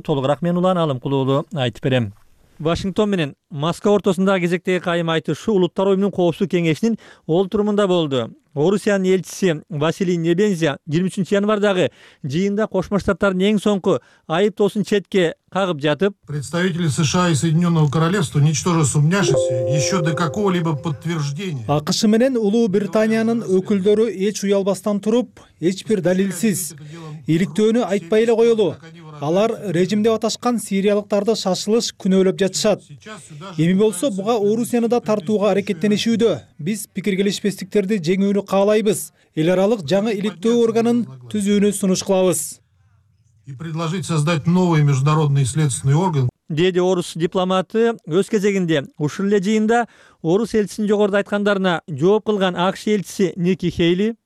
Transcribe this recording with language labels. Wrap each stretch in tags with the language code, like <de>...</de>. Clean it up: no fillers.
<ky>Толугураак мен Улан Алымкулуулу айтып берем. Вашингтон менен Москва ортосундагы кезектеги кайым айтышуу Улуттар уюмунун коопсуздук кеңешинин олтурумунда болду. Орусиянын элчиси Василий Небензя 23 январдагы жыйында Кошмо Штаттардын эң соңку айыптоосун четке кагып жатып,</ky> <ru>представители США и Соединенного Королевства ничтоже сумняшися еще до какого-либо подтверждения.</ru> <ky>АКШ менен Улуу Британиянын өкүлдөрү эч уялбастан туруп, эч бир далилсиз иликтөөнү айтпай эле коелу. Алар режим деп аташкан сириялыктарды шашылыш күнөөлөп жатышат. Эми болсо буга Орусияны да тартууга аракеттенишүүдө. Биз пикир келишпестиктерди жеңүүнү каалайбыз. Эл аралык жаңы иликтөө органын түзүүнү сунуш кылабыз.</ky> <ru>И предложить создать новый международный следственный орган.</ru> <ky>Деди орус дипломаты өз кезегинде ушул эле жыйында орус элчисинин жогоруда айткандарына жооп кылган АКШ элчиси Ники Хейли.</ky>